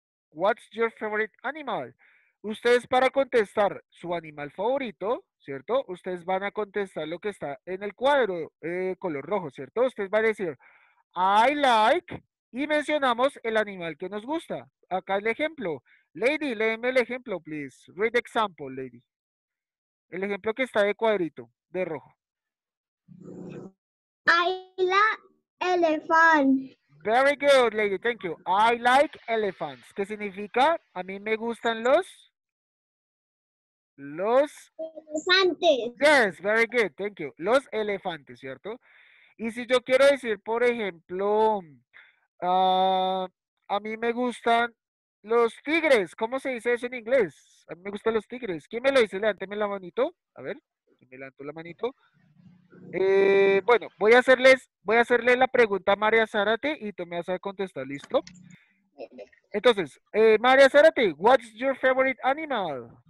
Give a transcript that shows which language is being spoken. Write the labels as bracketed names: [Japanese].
[English] What's your favorite animal? [Spanish] Ustedes para contestar su animal favorito, ¿cierto? Ustedes van a contestar lo que está en el cuadro color rojo, ¿cierto? Ustedes van a decir, [English] I like, [Spanish] y mencionamos el animal que nos gusta. Acá el ejemplo. Lady, léeme el ejemplo, please. [English] Read the example, lady. [Spanish] El ejemplo que está de cuadrito, de rojo. [English] I like elephant. Very good, lady. Thank you. I like elephants. [Spanish] ¿Qué significa? A mí me gustan los... Los... Elefantes. [English] Yes, very good. Thank you. [Spanish] Los elefantes, ¿cierto? Y si yo quiero decir, por ejemplo, a mí me gustan los tigres. ¿Cómo se dice eso en inglés? A mí me gustan los tigres. ¿Quién me lo dice? Levánteme la manito. A ver, me levanto la manito. Bueno, voy a hacerle la pregunta a María Zárate y tú me vas a contestar. ¿Listo? [English] Entonces, María Zárate, what's your favorite animal?